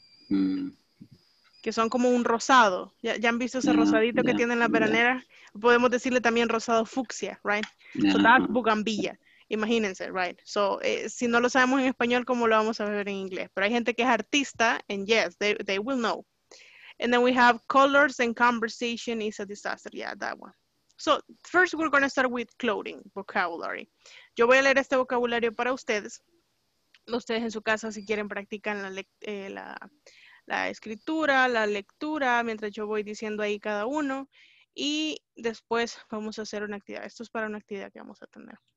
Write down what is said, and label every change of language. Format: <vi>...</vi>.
<es>Mm. Que son como un rosado. ¿Ya han visto ese rosadito que tienen las veraneras? Yeah. Podemos decirle también rosado fucsia, right? Yeah.</es> <en>So that's bugambilla.</en> <es>Imagínense, right? So, si no lo sabemos en español, ¿cómo lo vamos a ver en inglés? Pero hay gente que es artista,</es> <en>and yes, they will know. And then we have colors and conversation is a disaster. Yeah, that one. So, first we're going to start with clothing vocabulary.</en> <es>Yo voy a leer este vocabulario para ustedes. Ustedes en su casa, si quieren, practican la escritura, la lectura, mientras yo voy diciendo ahí cada uno. Y después vamos a hacer una actividad. Esto es para una actividad que vamos a tener.</es>